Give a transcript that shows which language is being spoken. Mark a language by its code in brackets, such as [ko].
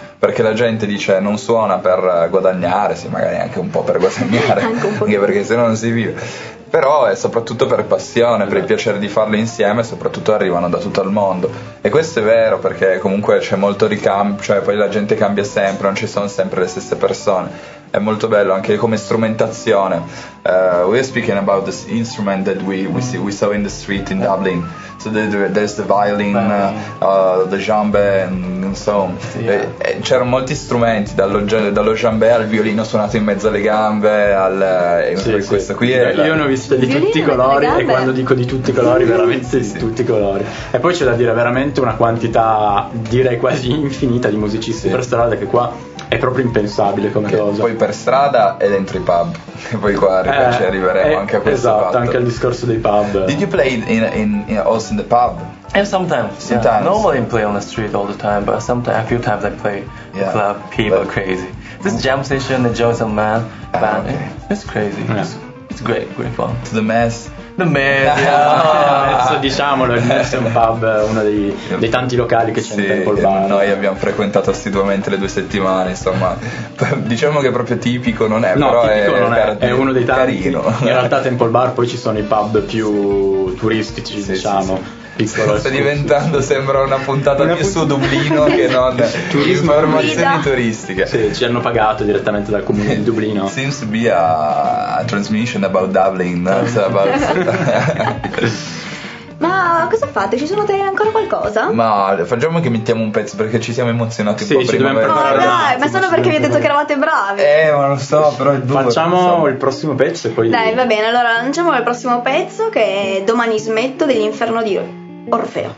[it] Perché la gente dice non suona per guadagnare, sì, magari anche un po' per guadagnare, anche perché sennò non si vive. Però è soprattutto per passione, per il piacere di farlo insieme, soprattutto arrivano da tutto il mondo. E questo è vero, perché comunque c'è molto ricambio, cioè poi la gente cambia sempre, non ci sono sempre le stesse persone. È molto bello anche come strumentazione. [en] We are speaking about this instrument that we saw in the street in Dublin. So there's the violin, the djembe, and so on. [it] C'erano molti strumenti, dallo djembe al violino suonato in mezzo alle gambe, questo qui. Io ne ho visto di tutti i colori, e quando dico di tutti i colori, veramente di tutti i colori. E poi c'è da dire, veramente una quantità, direi quasi infinita, di musicisti per strada, che qua è proprio impensabile come cosa. Poi per strada e dentro i pub, e poi qua ci arriveremo anche a questo fatto. Anche al discorso dei pub. [en] Did you play in also in the pub? And sometimes. Yeah. Normally I play on the street all the time, but sometimes a few times I play club, people are crazy. This jam session, enjoy some man, band, it's crazy. Yeah. It's great fun. To the mess. [it] Adesso diciamolo, il Mess è un pub, uno dei tanti locali che c'è in Temple Bar. Noi abbiamo frequentato assiduamente le due settimane, insomma, diciamo che è proprio tipico, non è, no, però tipico è, non è uno dei tanti, carino. In realtà Temple Bar, poi ci sono i pub più turistici, diciamo. Sta diventando, sembra una puntata più su Dublino che non turismo, informazioni turistiche. Sì, ci hanno pagato direttamente dal comune di Dublino. [en] It seems to be a transmission about Dublin, not about... [it] Ma cosa fate? Ci sono ancora qualcosa? Ma facciamo che mettiamo un pezzo, perché ci siamo emozionati un po' prima. Ma solo perché vi ho detto che eravate bravi. Ma lo so, però facciamo il prossimo pezzo e poi... Dai, va bene, allora lanciamo il prossimo pezzo, che è Domani smetto, dell'Inferno di Orfeo.